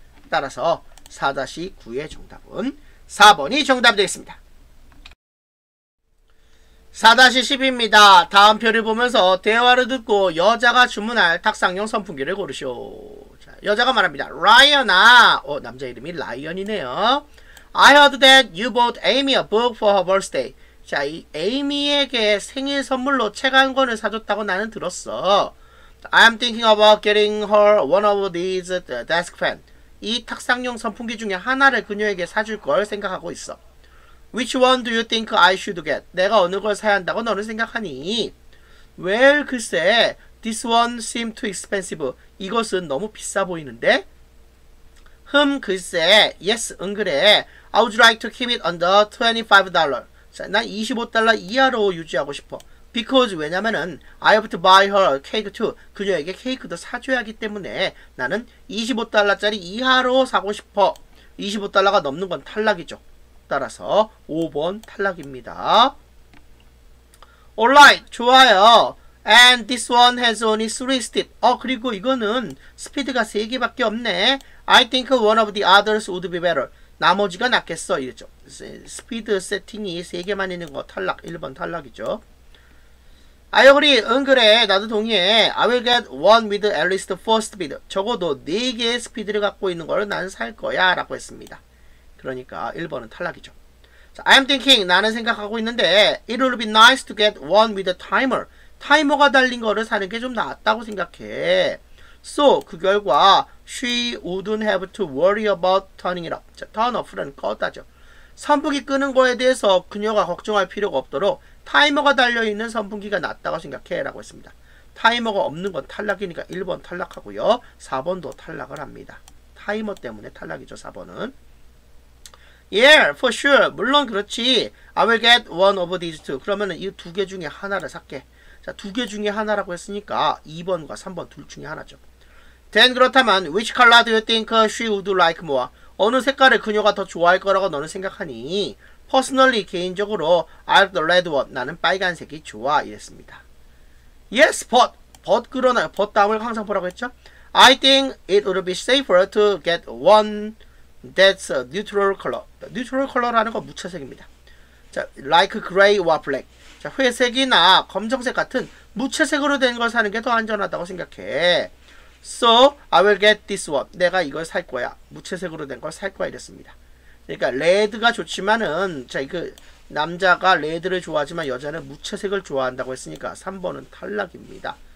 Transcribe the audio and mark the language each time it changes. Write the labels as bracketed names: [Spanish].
[Korean] 따라서 4-9의 정답은 4번이 정답이 되겠습니다. 4-10입니다. 다음 표를 보면서 대화를 듣고 여자가 주문할 탁상용 선풍기를 고르시오. 자, 여자가 말합니다. 라이언아. 남자 이름이 라이언이네요. [English] I heard that you bought Amy a book for her birthday. [Korean] 자, 이 에이미에게 생일 선물로 책 한 권을 사줬다고 나는 들었어. [English] I'm thinking about getting her one of these desk fans. [Korean] 이 탁상용 선풍기 중에 하나를 그녀에게 사줄 걸 생각하고 있어. [English] Which one do you think I should get? [Korean] 내가 어느 걸 사야 한다고 너는 생각하니? [English] Well, [Korean] 글쎄, [English] this one seems too expensive. [Korean] 이것은 너무 비싸 보이는데? 흠, 글쎄, [English] yes, [Korean] 응, 그래. [English] I would like to keep it under $25. [Korean] 자, 난 $25 이하로 유지하고 싶어. [English] Because, [Korean] 왜냐면은, [English] I have to buy her a cake too. [Korean] 그녀에게 케이크도 사줘야 하기 때문에 나는 $25짜리 이하로 사고 싶어. $25가 넘는 건 탈락이죠. 따라서 5번 탈락입니다. [English] Alright, [Korean] 좋아요. [English] And this one has only 3 steps. [Korean] 그리고 이거는 스피드가 3개밖에 없네. I think one of the others would be better. 나머지가 낫겠어. 이랬죠. 스피드 세팅이 3개만 있는 거 탈락. 1번 탈락이죠. [English] I agree. [Korean] 응, 그래. 나도 동의해. [English] I will get one with at least 4 speed. [Korean] 적어도 4개의 스피드를 갖고 있는 걸 난 살 거야. 라고 했습니다. 그러니까 1번은 탈락이죠. [English] I'm thinking. [Korean] 나는 생각하고 있는데 [English] It would be nice to get one with a timer. [Korean] 타이머가 달린 거를 사는 게 좀 낫다고 생각해. [English] So, [Korean] 그 결과 [English] She wouldn't have to worry about turning it up. [Korean] 자, turn off는 껐다죠. 선풍기 끄는 거에 대해서 그녀가 걱정할 필요가 없도록 타이머가 달려있는 선풍기가 낫다고 생각해. 라고 했습니다. 타이머가 없는 건 탈락이니까 1번 탈락하고요. 4번도 탈락을 합니다. 타이머 때문에 탈락이죠. 4번은. [English] Yeah, for sure. [Korean] 물론 그렇지. [English] I will get one of these two. [Korean] 그러면은 이 두 개 중에 하나를 살게. 자, 두 개 중에 하나라고 했으니까 2번과 3번 둘 중에 하나죠. [English] Then [Korean] 그렇다면 [English] which color do you think she would like more? [Korean] 어느 색깔을 그녀가 더 좋아할 거라고 너는 생각하니? [English] Personally, [Korean] 개인적으로 [English] I like the red one. [Korean] 나는 빨간색이 좋아. 이랬습니다. [English] Yes, but. [Korean] But 그러나 but 다음을 항상 보라고 했죠? [English] I think it would be safer to get one that's a neutral color. [Korean] Neutral color라는 건 무채색입니다. 자, [English] like gray or black. [Korean] 자, 회색이나 검정색 같은 무채색으로 된 걸 사는 게 더 안전하다고 생각해. [English] So, I will get this one. [Korean] 내가 이걸 살 거야. 무채색으로 된 걸 살 거야. 이랬습니다. 그러니까 레드가 좋지만은 자, 그 남자가 레드를 좋아하지만 여자는 무채색을 좋아한다고 했으니까 3번은 탈락입니다.